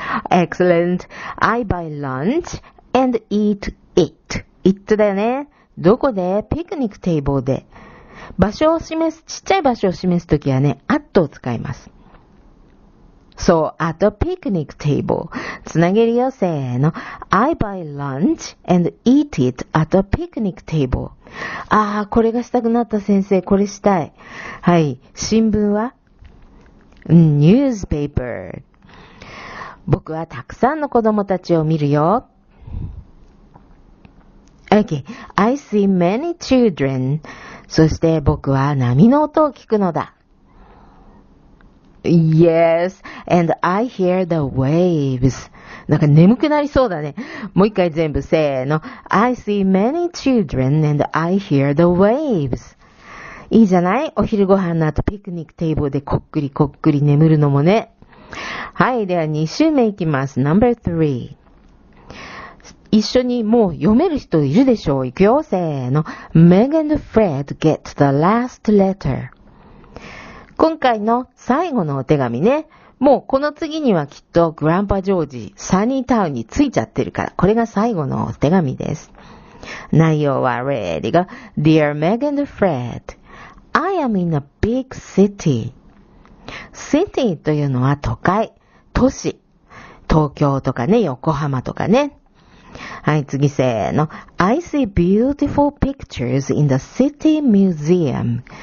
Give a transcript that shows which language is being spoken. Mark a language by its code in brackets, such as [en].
[en] Excellent! I buy lunch and eat it. It [ja] だよね。どこで？ピクニックテーブルで。場所を示す、ちっちゃい場所を示すときはね、at を使います。 [en] So, at a picnic table. [ja] つなげるよ、せーの。 [en] I buy lunch and eat it at a picnic table. [ja] あー、これがしたくなった先生、これしたい。はい、新聞は ?Newspaper。僕はたくさんの子供たちを見るよ。 [en] Okay, I see many children. [ja] そして僕は波の音を聞くのだ。 [en] Yes, and I hear the waves. [ja] なんか眠くなりそうだね。もう一回全部せーの。 I see many children and I hear the waves. いいじゃない? お昼ご飯の後ピクニックテーブルでこっくりこっくり眠るのもね。はい、では2週目いきます。 [en] Number 3。 [ja] 一緒にもう読める人いるでしょう。いくよ、せーの。 [en] Meg and Fred get the last letter. [ja] 今回の最後のお手紙ね。もうこの次にはきっとグランパジョージ、サニータウンに着いちゃってるから、これが最後のお手紙です。内容は、 [en] Ready go. Dear Meg and Fred, I am in a big city. [ja] City というのは都会、都市。東京とかね、横浜とかね。はい、次せーの。 [en] I see beautiful pictures in the city museum.